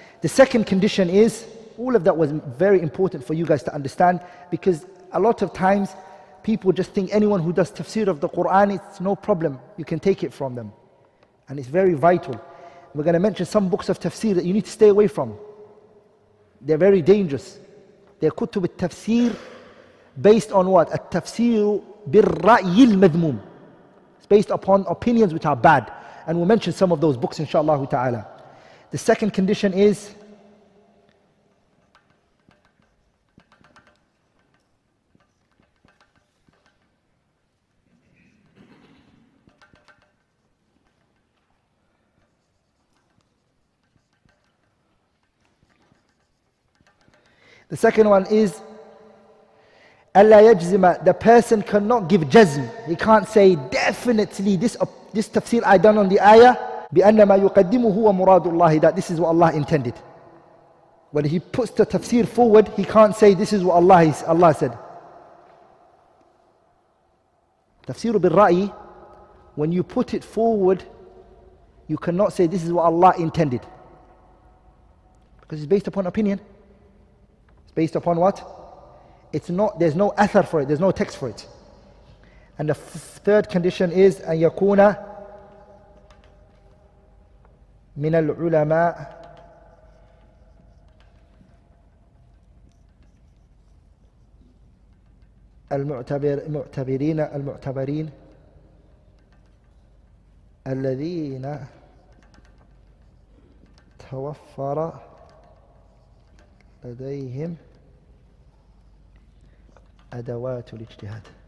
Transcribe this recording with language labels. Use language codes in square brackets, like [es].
[en] The second condition is, all of that was very important for you guys to understand, because a lot of times people just think anyone who does tafsir of the Quran, it's no problem, you can take it from them. And it's very vital. We're going to mention some books of tafsir that you need to stay away from. They're very dangerous. They're kutub al-tafsir based on what? [ar] التفسير بالرأي المذموم. [en] It's based upon opinions which are bad. And we'll mention some of those books inshallah ta'ala. The second condition is The second one is [ar] أَلَّا يَجْزِمَ. [en] The person cannot give jazm. He can't say definitely this tafsir I done on the ayah [ar] بِأَنَّمَا يُقَدِّمُهُ وَمُرَادُ اللَّهِ, [en] that this is what Allah intended. When he puts the tafsir forward, he can't say this is what Allah said. [ar] تفسير بالرأي, [en] when you put it forward, you cannot say this is what Allah intended. Because it's based upon opinion. It's based upon what? It's not, there's no athar for it, there's no text for it. [ar] And the third condition is أن يكون من العلماء المعتبرين الذين توفر لديهم أدوات الاجتهاد.